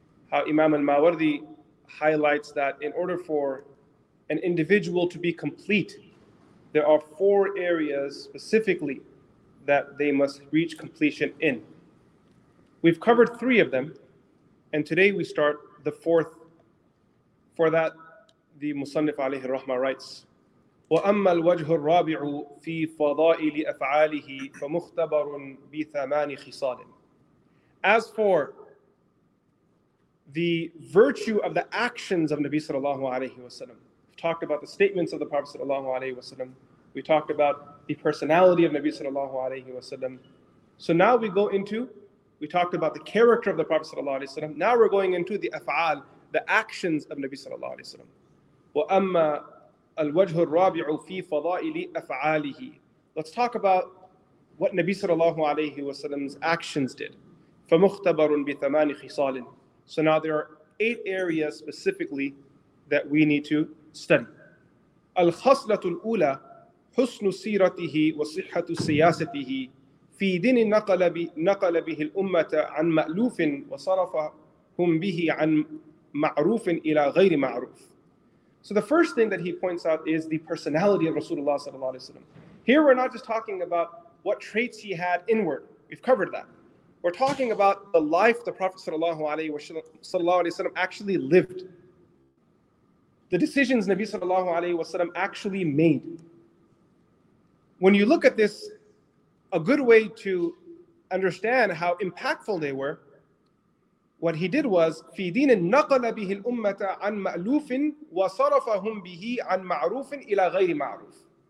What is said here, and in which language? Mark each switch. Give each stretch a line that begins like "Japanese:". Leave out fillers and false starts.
English: How Imam al-Mawardi highlights that in order for an individual to be complete, there are four areas specifically that they must reach completion in. We've covered three of them, and today we start the fourth. For that, the Musannif alayhi rahma writes,
Arabic: وَأَمَّا الْوَجْهُ الرَّابِعُ فِي فَضَائِلِ أَفْعَالِهِ فَمُخْتَبَرٌ بِثَمَانِ خِصَالٍ.
English: As for the virtue of the actions of Nabi sallallahu alayhi wasallam, talked about the statements of the Prophet sallallahu alaihi wasallam. We talked about the personality of Nabi sallallahu alaihi wasallam. So now we talked about the character of the Prophet sallallahu alaihi wasallam. Now we're going into the af'al, the actions of Nabi sallallahu alaihi wasallam.
Arabic: Wa amma al-wajhu ar-rabi'u fi fada'ili af'alihi.
English: Let's talk about what Nabi sallallahu alaihi wasallam's actions did.
Arabic: Fa mukhtabarun bi thamani khisalin.
English: So now there are eight areas specifically that we need to study.
Arabic: Al-khaslatul ula husnu siratihi wa sihhatu siyasatihi في دين نقل به الأمة عن مألوف وصرفهم به عن معروف إلى غير معروف.
English: So the first thing that he points out is the personality of Rasulullah sallallahu alaihi wasallam. Here we're not just talking about what traits he had inward. We've covered that. We're talking about the life the Prophet sallallahu alaihi wasallam actually lived. The decisions Nabi sallallahu alaihi wasallam actually made. When you look at this, a good way to understand how impactful they were, what he did was,
Arabic: في دين نقل به الأمة عن مألوف وصرفهم به عن معروف إلى غير معروف.